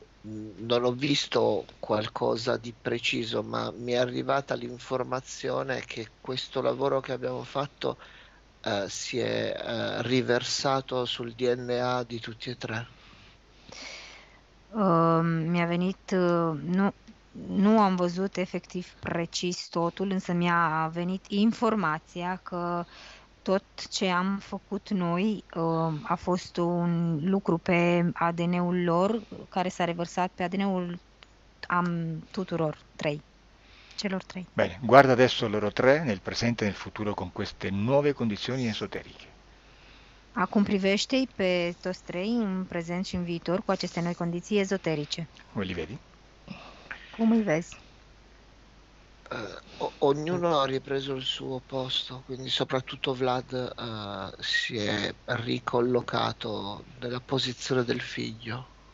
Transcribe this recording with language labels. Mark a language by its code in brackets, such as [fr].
[it] Non ho visto qualcosa di preciso, ma mi è arrivata l'informazione che questo lavoro che abbiamo fatto, si è, riversato sul DNA di tutti e tre. Mi è venuto, [ro] nu am văzut efectiv precis totul, însă mi-a venit informația că tot ce am făcut noi a fost un lucru pe ADN-ul lor care s-a revărsat pe ADN-ul tuturor trei, celor trei. [it] Bene, guarda adesso loro tre nel presente e nel futuro con queste nuove condizioni esoteriche. [ro] Acum privește-i pe toți trei în prezent și în viitor cu aceste noi condiții ezoterice. [it] Come li vedi? [ro] Cum îi vezi? [it] Ognuno ha ripreso il suo posto, quindi soprattutto Vlad, si è ricollocato nella posizione del figlio.